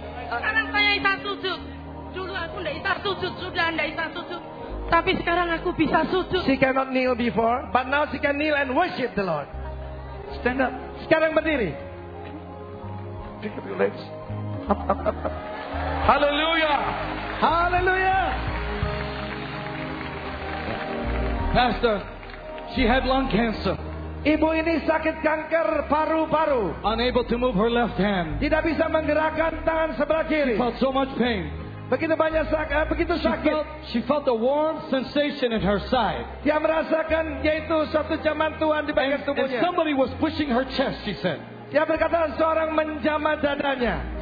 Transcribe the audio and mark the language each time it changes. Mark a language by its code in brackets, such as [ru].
[id] Sekarang saya bisa sujud. Dulu aku tidak bisa sujud. Sudah tidak bisa sujud. Tapi sekarang aku bisa sujud. [en] She cannot kneel before, but now she can kneel and worship the Lord. Stand up. [id] Sekarang berdiri. [en] Pick up your legs. Hallelujah. Hallelujah. Pastor, she had lung cancer. [id] Ibu ini sakit kanker paru-paru. [en] Unable to move her left hand. [id] Tidak bisa menggerakkan tangan sebelah kiri. [en] She felt so much pain. [id] Begitu banyak sakit, begitu sakit. [en] She felt a warm sensation in her side. [id] Dia merasakan yaitu satu jaman Tuhan di bagian tubuhnya. [en] And somebody was pushing her chest, she said. [id] Dia berkata seorang menjamah dadanya.